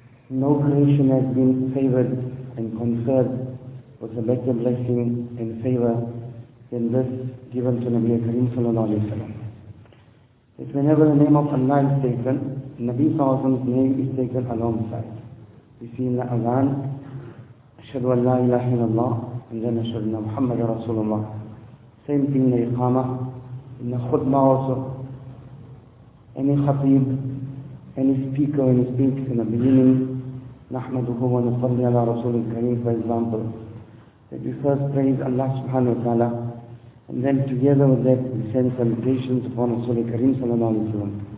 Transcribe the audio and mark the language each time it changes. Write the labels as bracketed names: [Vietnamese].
[English] No creation has been favored and conferred with a better blessing and favor than this given to Nabi Kareem sallallahu alayhi wa sallam. That whenever the name of Allah is taken, Nabi sallallahu alayhi wa sallam's name is taken alongside. We see in the Azan, [Arabic] أشهد أن لا إله إلا الله وأن أشهد أن محمد رسول الله. [English] Same thing in the Iqamah, in the Khutbah also. Any Khatib, any speaker when he speaks in the beginning, [Arabic] نحمده ونصلي على رسول الكريم, [English] for example. That we first praise Allah subhanahu wa ta'ala, and then together with that we send salutations upon رسول الكريم صلى الله عليه وسلم.